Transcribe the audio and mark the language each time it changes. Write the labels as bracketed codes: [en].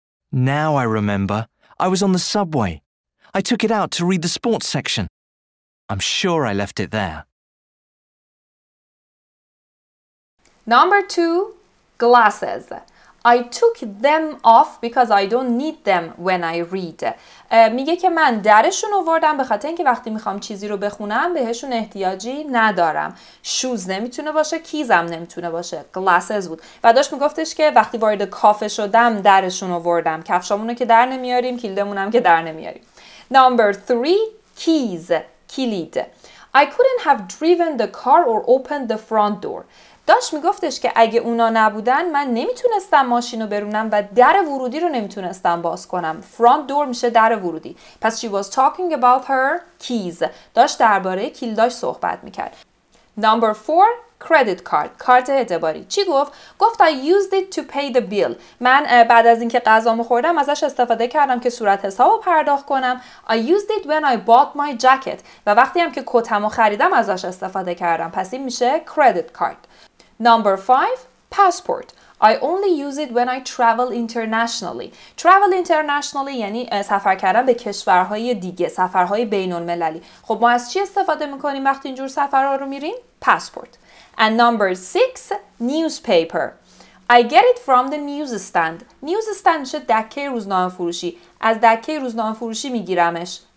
[en] Now I remember. I was on the subway. I took it out to read the sports section. I'm sure I left it there. Number 2, glasses. I took them off because I don't need them when I read. [fa] میگه که من درشون آوردم به خاطر اینکه وقتی میخوام چیزی رو بخونم بهشون احتیاجی ندارم. شوز نمیتونه باشه، کیزم نمیتونه باشه. Glasses بود. و داشت میگفتش که وقتی وارد کافه شدم درشون آوردم. کفشامونو که در نمیاریم، کلیدمونم که در نمیاریم. [en] Number 3, keys. کلید. I couldn't have driven the car or opened the front door. [fa] داشت میگفتش که اگه اونا نبودن من نمیتونستم ماشینو برونم و در ورودی رو نمیتونستم باز کنم. [en] Front door [fa] میشه در ورودی. پس [en] she was talking about her keys. [fa] داشت درباره کلیداش صحبت میکرد. [en] Number 4, credit card. [fa] کارت اعتباری. چی گفت؟ گفت [en] I used it to pay the bill. [fa] من بعد از اینکه غذا میخوردم ازش استفاده کردم که صورت حسابو پرداخت کنم. [en] I used it when I bought my jacket. [fa] و وقتی هم که کتمو خریدم ازش استفاده کردم. پس این میشه [en] credit card. Number 5, passport. I only use it when I travel internationally. Travel internationally [fa] یعنی سفر کردن به کشورهای دیگه، سفرهای بین‌المللی. خب ما از چی استفاده میکنیم وقتی اینجور سفرها رو میریم؟ passport. [en] And number 6, newspaper. I get it from the newsstand. [fa] Newsstand میشه دکه روزنامه فروشی. از دکه روزنامه فروشی میگیرمش.